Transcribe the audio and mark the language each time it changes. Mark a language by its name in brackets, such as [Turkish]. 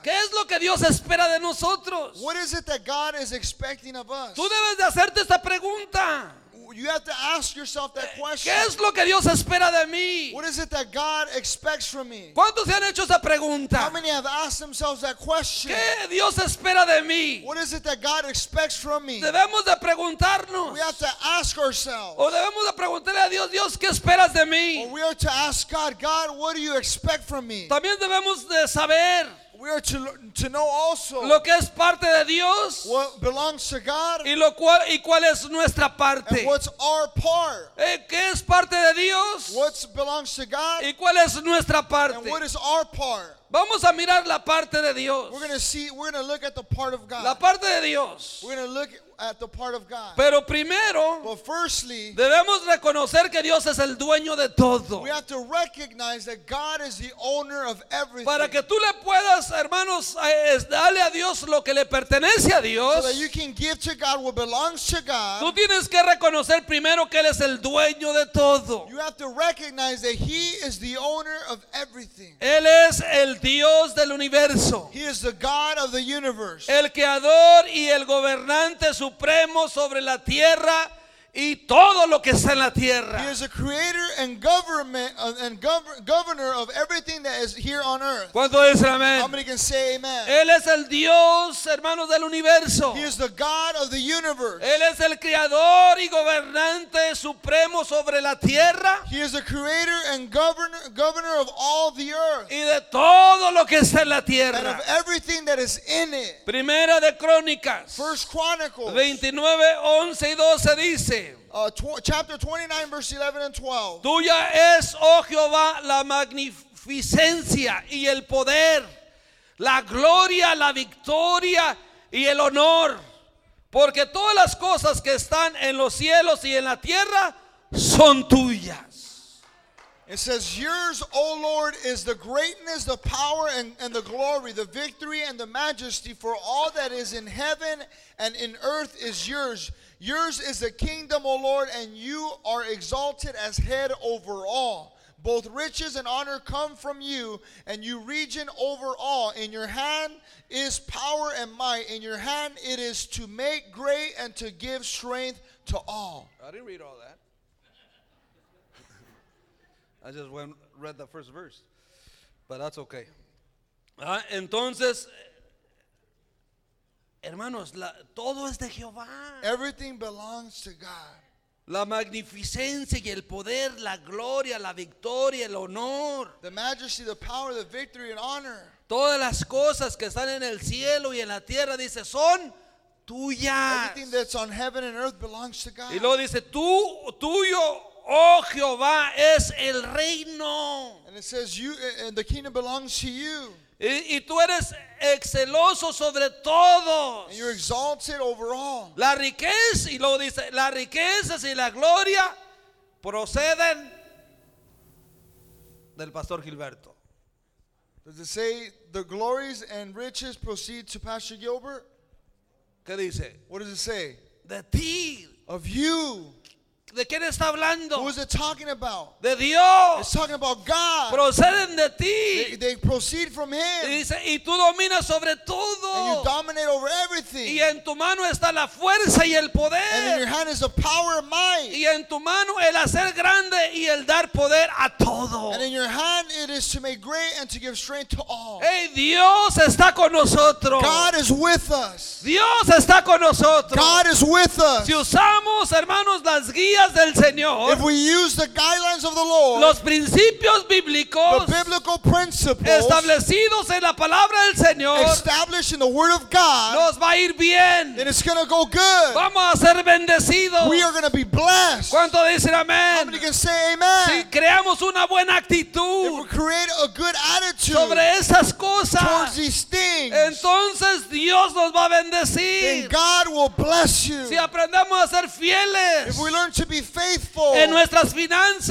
[Spanish] ¿Qué es lo que Dios espera de nosotros? [English] What is it that God is expecting of us? [Spanish] Tú debes de hacerte esta pregunta. [English] You have to ask yourself that question. [Spanish] ¿Qué es lo que Dios espera de mí? [English] What is it that God expects from me? [Spanish] ¿Cuántos se han hecho esa pregunta? [English] How many have asked themselves that question? [Spanish] ¿Qué Dios espera de mí? [English] What is it that God expects from me? [Spanish] Debemos de preguntarnos. [English] We have to ask ourselves. [Spanish] O debemos de preguntarle a Dios, Dios, ¿qué esperas de mí? [English] Or we are to ask God, God, what do you expect from me? [Spanish] También debemos de saber. [English] We are to know also [Spanish] lo que es parte de Dios, [English] what belongs to God, [Spanish] y lo cual, y cuál es nuestra parte. [English] And what's our part. [Spanish] ¿Qué es parte de Dios? [English] What belongs to God, [Spanish] y cuál es nuestra parte. [English] And what is our part. [Spanish] Vamos a mirar la parte de Dios. [English] We're going to look at the part of God. [Spanish] La parte de Dios. [English] We're going to look at the part of God. [Spanish] Pero primero, [English] but firstly, [Spanish] debemos reconocer que Dios es el dueño de todo. [English] We have to recognize that God is the owner of everything. [Spanish] Para que tú le puedas, hermanos, darle a Dios lo que le pertenece a Dios. [English] So that you can give to God what belongs to God. [Spanish] Tú tienes que reconocer primero que él es el dueño de todo. [English] You have to recognize that he is the owner of everything. [Spanish] Él es el Dios del universo. [English] He is the God of the universe. [Spanish] El creador y el gobernante supremo sobre la tierra y todo lo que está en la tierra. [English] He is the creator and government and governor of everything that is here on earth. [Spanish] ¿Cuánto dicen amén? [English] How many can say amen? [Spanish] Él es el Dios, hermanos, del universo. [English] He is the God of the universe. [Spanish] Él es el creador y gobernante supremo sobre la tierra. [English] He is the creator and governor of all the earth. [Spanish] Y de todo lo que está en la tierra. [English] And of everything that is in it. [Spanish] Primera de Crónicas. [English] First Chronicles. [Spanish] 29:11-12 dice. [English] Chapter 29, verse 11 and 12. [Spanish] Tuya es, oh Jehová, la magnificencia y el poder, la gloria, la victoria y el honor, porque todas las cosas que están en los cielos y en la tierra son tuyas. [English] It says, yours, O Lord, is the greatness, the power, and the glory, the victory, and the majesty, for all that is in heaven and in earth is yours. Yours is the kingdom, O Lord, and you are exalted as head over all. Both riches and honor come from you, and you regent over all. In your hand is power and might. In your hand it is to make great and to give strength to all. I didn't read all that. I just read the first verse. But that's okay. [Spanish] Entonces... Hermanos, todo es de Jehová. [English] Everything belongs to God. [Spanish] La magnificencia y el poder, la gloria, la victoria, el honor. [English] The majesty, the power, the victory and honor. [Spanish] Todas las cosas que están en el cielo y en la tierra, dice, son tuyas. [English] Everything that's on heaven and earth belongs to God. [Spanish] Y luego dice, tuyo, oh Jehová, es el reino. [English] And it says, you, and the kingdom belongs to you. [Spanish] Y tú eres excelso sobre todos. [English] You're exalted over all. [Spanish] La riqueza, y luego dice, las riquezas y la gloria proceden del Pastor Gilberto. [English] Does it say the glories and riches proceed to Pastor Gilbert? [Spanish] ¿Qué dice? [English] What does it say? [Spanish] De ti. [English] Of you. [Spanish] ¿De quién está hablando? [English] Who is it talking about? [Spanish] De Dios. [English] It's talking about God. [Spanish] Proceden de ti. [English] They proceed from him. [Spanish] Y dice, y tú dominas sobre todo. [English] And you dominate over everything. [Spanish] Y en tu mano está la fuerza y el poder. [English] And in your hand is the power and might. [Spanish] Y en tu mano el hacer grande y el dar poder a todo. [English] And in your hand it is to make great and to give strength to all. [Spanish] Hey, Dios está con nosotros. [English] God is with us. [Spanish] Dios está con nosotros. [English] God is with us. [Spanish] Si usamos, hermanos, las guías del Señor, [English] if we use the guidelines of the Lord, [Spanish] los principios bíblicos, [English] the biblical principles [Spanish] establecidos en la palabra del Señor, [English] established in the word of God, [Spanish] nos va a ir bien. [English] And it's going to go good. [Spanish] Vamos a ser bendecidos. [English] We are going to be blessed. [Spanish] ¿Cuánto dicen amén? [English] How many can say amen? [Spanish] Si creamos una buena actitud, [English] if we create a good attitude [Spanish] sobre esas cosas, [English] towards these things, [Spanish] entonces Dios nos va a bendecir. [English] Then God will bless you. [Spanish] Si aprendemos a ser fieles, [English] if we learn to be faithful [Spanish] en nuestras finanzas,